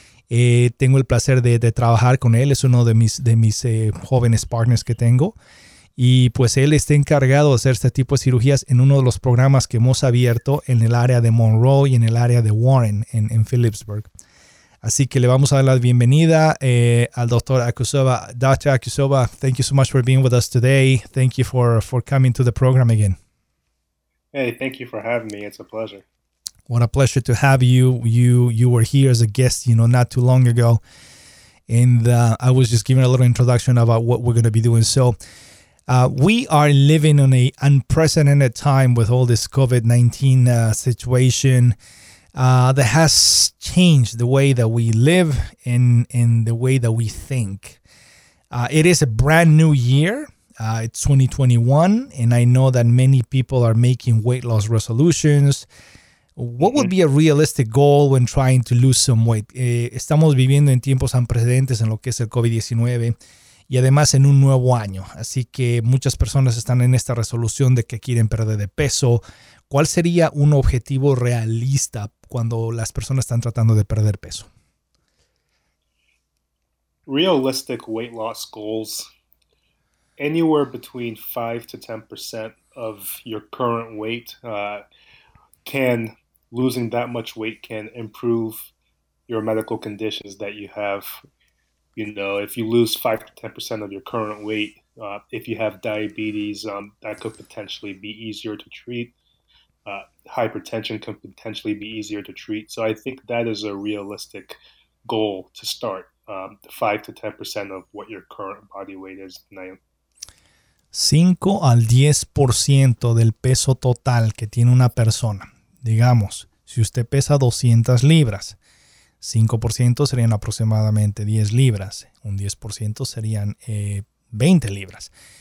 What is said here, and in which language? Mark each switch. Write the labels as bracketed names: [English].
[Spanish] Tengo el placer de trabajar con él, es uno de mis jóvenes partners que tengo. Y pues él está encargado de hacer este tipo de cirugías en uno de los programas que hemos abierto en el área de Monroe y en el área de Warren en Phillipsburg. Así que le vamos a dar la bienvenida al doctor Akusova. [English] Dr. Akusova, thank you so much for being with us today. Thank you for coming to the program again. Hey, thank you for having me. It's a pleasure. What a pleasure to have you. You were here as a guest, you know, not too long ago. And I was just giving a little introduction about what we're going to be doing. So we are living in an unprecedented time with all this COVID-19 situation that has changed the way that we live and the way that we think. It is a brand new year. It's 2021, and I know that many people are making weight loss resolutions. What would be a realistic goal when trying to lose some weight? [Spanish] Estamos viviendo en tiempos unprecedentes en lo que es el COVID-19. Y además en un nuevo año. Así que muchas personas están en esta resolución de que quieren perder de peso. ¿Cuál sería un objetivo realista? cuando las personas están tratando de perder peso. [English] Realistic weight loss goals, anywhere between 5 to 10% of your current weight, can losing that much weight can improve your medical conditions that you have. You know, if you lose 5 to 10% of your current weight, if you have diabetes, that could potentially be easier to treat. Hypertension can potentially be easier to treat. So I think that is a realistic goal to start, 5 to 10% of what your current body weight is. [Spanish] 5 al 10% del peso total que tiene una persona. Digamos, si usted pesa 200 libras, 5% serían aproximadamente 10 libras. Un 10% serían 20 libras.